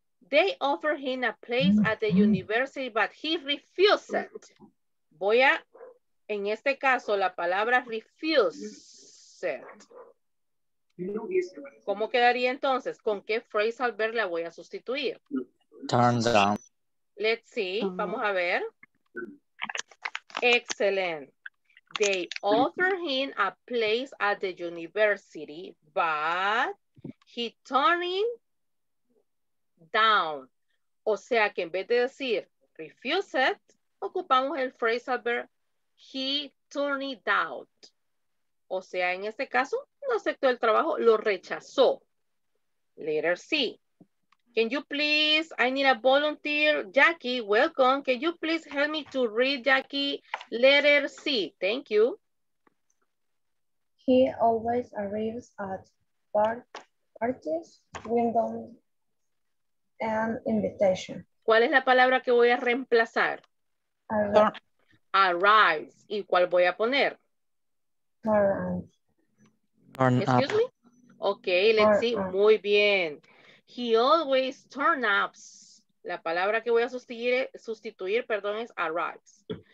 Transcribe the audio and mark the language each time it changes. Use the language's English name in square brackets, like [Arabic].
[English] They offer him a place at the university, but he refused it. [Spanish] Voy a, en este caso, la palabra refused. ¿Cómo quedaría entonces? ¿Con qué phrasal verb la voy a sustituir? [English] Turn down. Let's see, [Spanish] vamos a ver. [English] Excellent. They offer him a place at the university, but he turning down. [Spanish] O sea que en vez de decir refuse it, ocupamos el phrase adverb he turning down. O sea, en este caso, no aceptó el trabajo, lo rechazó. [English] Letter C. Can you please, I need a volunteer, Jackie, welcome. Can you please help me to read, Jackie, letter C? Thank you. He always arrives at parties, windows, and invitation. [Spanish] ¿Cuál es la palabra que voy a reemplazar? Arrives. ¿Y cuál voy a poner? Muy bien. [English] He always turn up. [Spanish] La palabra que voy a sustituir, es arrives.